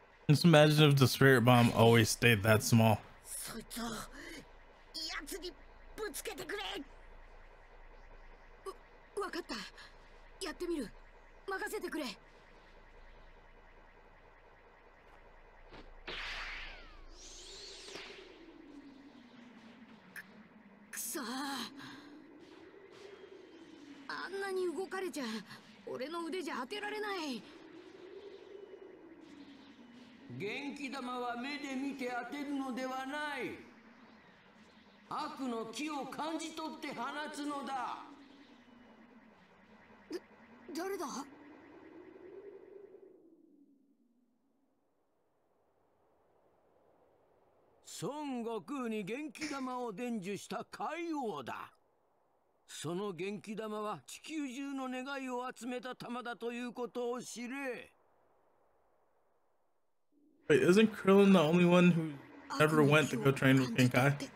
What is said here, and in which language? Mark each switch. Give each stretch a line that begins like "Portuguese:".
English: Just imagine if the spirit bomb always stayed that small.
Japanese: そいつを、やつにぶつけてくれ。わかった。やってみる。任せてくれ。くそ。あんなに動かれちゃ、俺の腕じゃ当てられない。元気玉は目で見て当てるのではない。悪の気を感じ取って放つのだ。誰だ？孫悟空に元気玉を伝授した海王だ。その元気玉は地球中の願いを集めた玉だということを知れ。
English: Wait, isn't Krillin the only one who ever went to go train with Genkai?